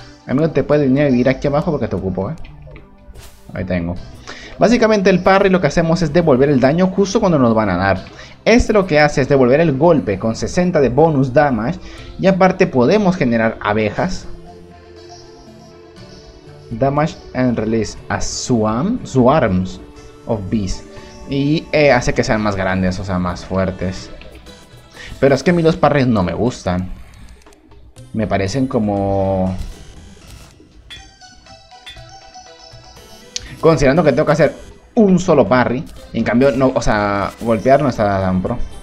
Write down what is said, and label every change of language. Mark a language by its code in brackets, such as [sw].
[es] Amigo, te puedes venir a vivir aquí abajo porque te ocupo, ¿eh? Ahí tengo. Básicamente el parry lo que hacemos es devolver el daño justo cuando nos van a dar. Este lo que hace es devolver el golpe con 60 de bonus damage. Y aparte podemos generar abejas. [en] Damage and release a swarms of bees. [es] Y hace que sean más grandes, o sea, más fuertes. Pero es que a mí los parries no me gustan. Me parecen como. Considerando que tengo que hacer un solo parry. Y en cambio, no, o sea, golpear no está tan pro.